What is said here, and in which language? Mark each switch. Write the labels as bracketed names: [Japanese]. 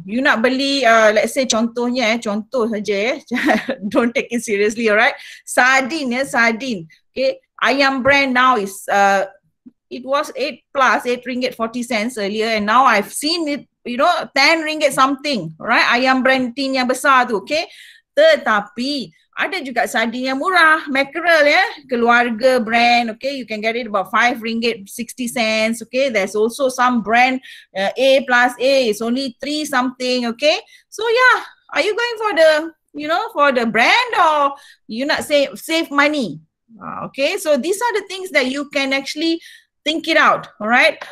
[English] You [Malay] nak beli, [English] let's say [Malay] contohnya, contoh saja, [English] don't take it seriously, all right? Sardin, okay? Ayam brand now is, it was 8 plus, 8 ringgit 40 cents earlier and now I've seen it, you know, 10 ringgit something, right? [Malay] Ayam brand tin yang besar tu, okay? Tetapi, ada juga sardin yang murah, mackerel, ya? [English] Yeah? Keluarga brand, okay? You can get it about 5 ringgit 60 cents, okay? There's also some brand A plus A, it's only 3 something, okay? So, yeah, are you going for the, you know, for the brand or you nak save money? Okay, so these are the things that you can actually think it out, alright?